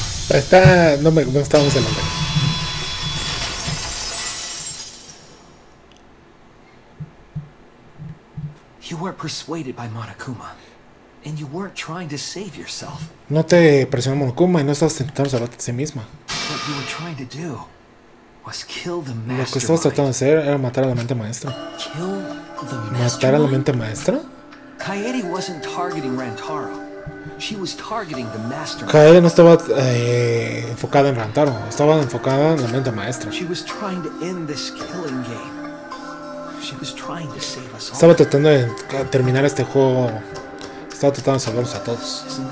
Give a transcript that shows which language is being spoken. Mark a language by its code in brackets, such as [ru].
[es] Está, no me, no estamos en la mente. [en] You weren't persuaded by Monokuma, and you weren't trying to save yourself. [es] No te presionó Monokuma y no estás intentando salvarte a sí misma. [en] What you were trying to do was kill the mastermind. [es] Lo que estabas tratando de hacer era matar a la mente maestra. [en] Kill the [es] matar a la mente maestra. [en] Kaede wasn't targeting Rantaro. She was targeting the mastermind. [es] Kaede no estaba enfocada en Rantaro, estaba enfocada en la mente maestra. [en] She was trying to end this killing game. She was trying to save us all. [es] Estaba tratando de terminar este juego. Estaba tratando de salvarnos a todos.